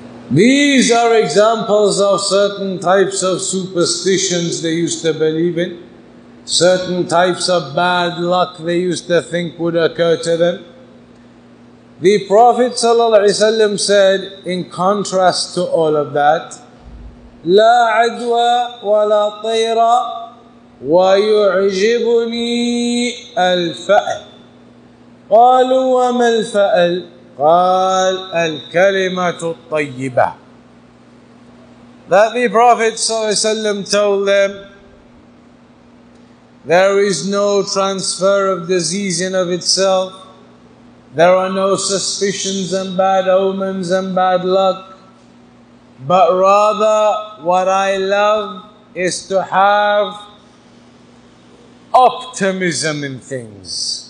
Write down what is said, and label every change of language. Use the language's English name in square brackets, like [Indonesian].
[English] These are examples of certain types of superstitions they used to believe in, certain types of bad luck they used to think would occur to them. The Prophet ﷺ said, in contrast to all of that, [Arabic] لا عدوى ولا طيرة ويعجبني الفأل. قالوا وما الفأل؟ قال الكلمة الطيبة. [English] That the Prophet ﷺ told them, there is no transfer of disease in of itself. There are no suspicions and bad omens and bad luck. But rather, what I love is to have optimism in things.